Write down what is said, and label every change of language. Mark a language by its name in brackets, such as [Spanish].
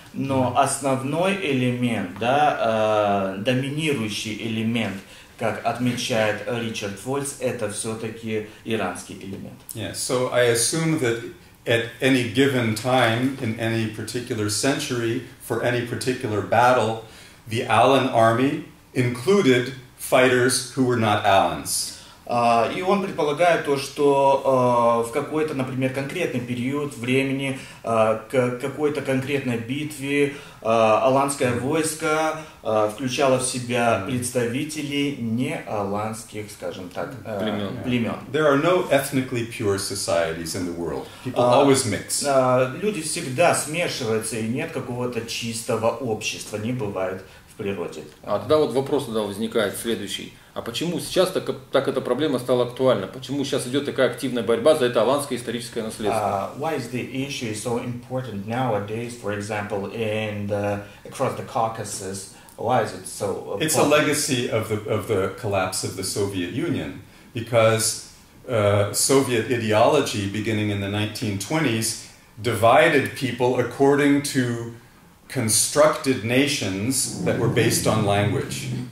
[Russian] Но основной элемент, да, доминирующий элемент, как отмечает Ричард Вольц, это все-таки иранский элемент. [English] Yeah, so I assume that at any given time, in any particular century, for any particular battle, the Alan army included fighters who were not Alans. [Russian] И он предполагает то, что в какой-то, например, конкретный период времени, к какой-то конкретной битве, аланское войско включало в себя представителей не аланских, скажем так, племен. [English] There are no ethnically pure societies in the world. People always mix. [Russian] Люди всегда смешиваются, и нет какого-то чистого общества, не бывает в природе. А тогда вот вопрос тогда возникает следующий. А почему сейчас так эта проблема стала актуальна? Почему сейчас идет такая активная борьба за это аланское историческое наследство? [English] Why is the issue so important nowadays, for example, across the Caucasus, Why is it so? It's a legacy of the collapse of the Soviet Union, because Soviet ideology, beginning in the 1920s, divided people according to constructed nations that were based on language.